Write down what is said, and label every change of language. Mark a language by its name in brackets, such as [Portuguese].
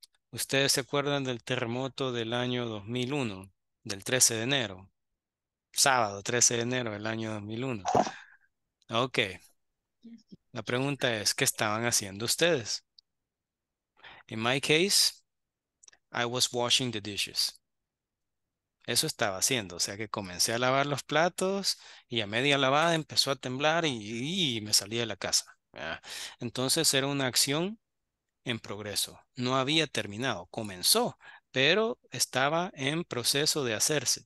[Spanish] ¿Ustedes se acuerdan del terremoto del año 2001, del 13 de enero? Sábado, 13 de enero del año 2001. Ok, la pregunta es, ¿qué estaban haciendo ustedes? [English] In my case, I was washing the dishes. [Spanish] Eso estaba haciendo, o sea que comencé a lavar los platos y a media lavada empezó a temblar y me salí de la casa. Entonces era una acción en progreso. No había terminado, comenzó, pero estaba en proceso de hacerse.